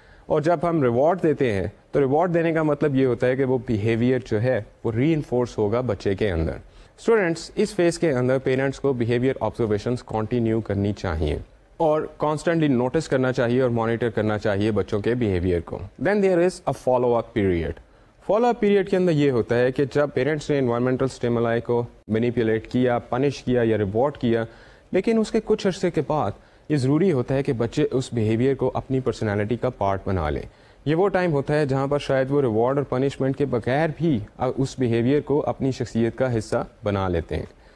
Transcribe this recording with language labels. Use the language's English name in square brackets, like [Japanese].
[Urdu] اور جب ہم ریوارڈ دیتے ہیں تو ریوارڈ دینے کا مطلب یہ ہوتا ہے کہ وہ بیہیویئر جو ہے وہ ری انفورس ہوگا بچے کے اندر. اسٹوڈینٹس, اس فیز کے اندر پیرنٹس کو بیہیویئر آبزرویشنس کنٹینیو کرنی چاہیے اور کانسٹنٹلی نوٹس کرنا چاہیے اور مانیٹر کرنا چاہیے بچوں کے بیہیویئر کو. [English] Then there is a follow up period. [Urdu] Follow up period کے اندر یہ ہوتا ہے کہ جب پیرنٹس نے انوائرمنٹل اسٹیمولائی کو مینیپولیٹ کیا, پنش کیا یا ریوارڈ کیا, لیکن اس کے کچھ عرصے کے بعد یہ ضروری ہوتا ہے کہ بچے اس بیہیویئر کو اپنی پرسنالٹی کا پارٹ بنا لیں. یہ وہ ٹائم ہوتا ہے جہاں پر شاید وہ ریوارڈ اور پنشمنٹ کے بغیر بھی اس بیہیویئر کو اپنی شخصیت کا حصہ بنا لیتے ہیں.